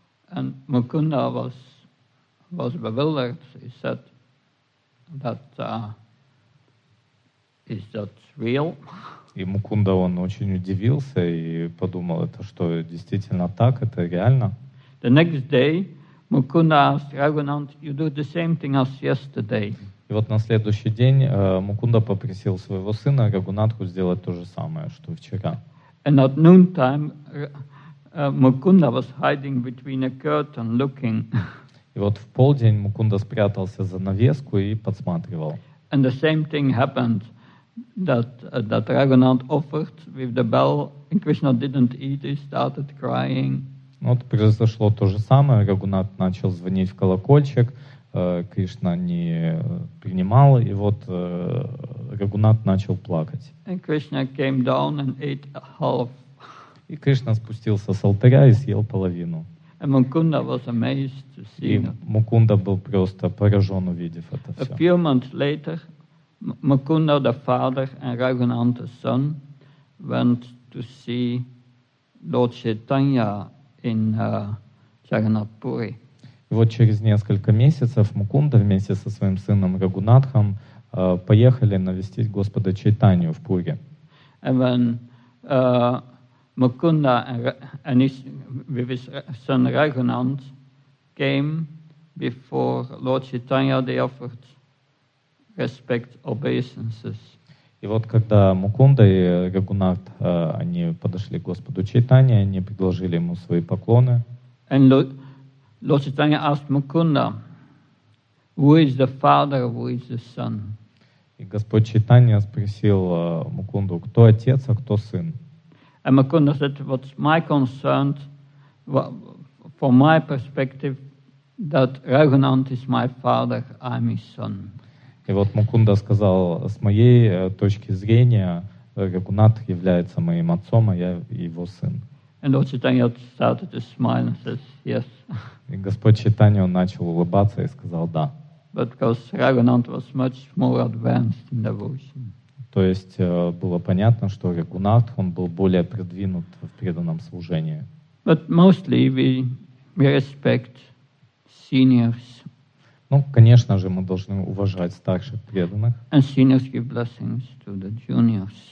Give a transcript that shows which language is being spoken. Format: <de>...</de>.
<en>And Mukunda was bewildered. He said, that is that real?</en> <ru>И Мукунда, он очень удивился и подумал, это что, действительно так, это реально?</ru> <en>The next day, Mukunda asked Raghunath, you do the same thing as yesterday.</en> <ru>И вот на следующий день Мукунда попросил своего сына Рагунатху сделать то же самое, что вчера.</ru> <en>And at noontime, Mukunda was hiding between a curtain, looking.</en> <ru>И вот в полдень Мукунда спрятался за навеску и подсматривал.</ru> <en>And the same thing happened, that Raghunath offered with the bell, and Krishna didn't eat, he started crying.</en> <ru>Вот произошло то же самое, Рагунат начал звонить в колокольчик, Кришна не принимал, и вот Рагунат начал плакать.</ru> <en>And Krishna came down and ate half.</en> <ru>И Кришна спустился с алтаря и съел половину.</ru> <en>And Mukunda was amazed to see.</en> <ru>И Мукунда был просто поражен, увидев это все.</ru> <en>A few months later, Mukunda, the father, and Raghunath, the son, went to see Lord Chaitanya in Jagannath Puri.</en> <ru>И вот через несколько месяцев Мукунда вместе со своим сыном Рагунатхом поехали навестить Господа Чайтанью в Пуре.</ru> <en>And when Mukunda and his son Raghunand came before Lord Chaitanya, they offered respect obeisances.</en> <ru>И вот когда Мукунда и Рагунат, они подошли к Господу Чайтане, они предложили ему свои поклоны.</ru> <en>And Lord Chaitanya asked Mukunda, who is the father, who is the son?</en> <ru>И Господь Чайтанья спросил Мукунду, кто отец, а кто сын?</ru> <en>And Mukunda said, what's my concern, from my perspective, that Raghunand is my father, I'm his son.</en> <ru>И вот Мукунда сказал, с моей точки зрения, Рагунат является моим отцом, а я его сын.</ru> <en>And Lord Chaitanya started to smile and says, yes.</en> <ru>И Господь Чайтанья начал улыбаться и сказал, да.</ru> <en>But because Raghunand was much more advanced in devotion.</en> <ru>То есть было понятно, что Рагунат, он был более продвинут в преданном служении.</ru> <en>But mostly we respect seniors.</en> <ru>Ну, конечно же, мы должны уважать старших преданных.</ru> <en>And seniors give blessings to the juniors.</en>